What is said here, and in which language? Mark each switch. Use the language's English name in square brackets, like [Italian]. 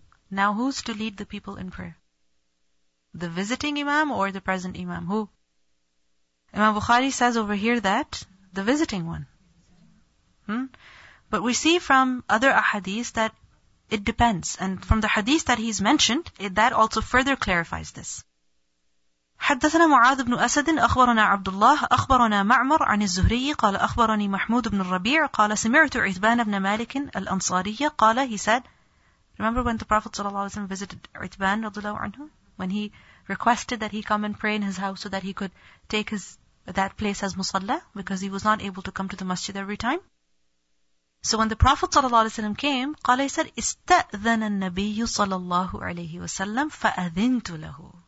[English] Now who's to lead the people in prayer? The visiting imam or the present imam? Who? Imam Bukhari says over here that the visiting one. But we see from other ahadith that it depends. And from the hadith that he's mentioned, that also further clarifies this. [Arabic] حدثنا معاذ بن أسد أخبرنا عبد الله أخبرنا معمر عن الزهري قال أخبرني محمود بن الربيع قال سمعت عثمان بن مالك الأنصارية قال he said, [English] remember when the Prophet صلى الله عليه وسلم visited عثمان رضي الله عنه, when he requested that he come and pray in his house so that he could take his that place as musalla, because he was not able to come to the masjid every time. [Arabic] So when the Prophet صلى الله عليه وسلم came, قال he said, استأذن النبي صلى الله عليه وسلم فأذنت له.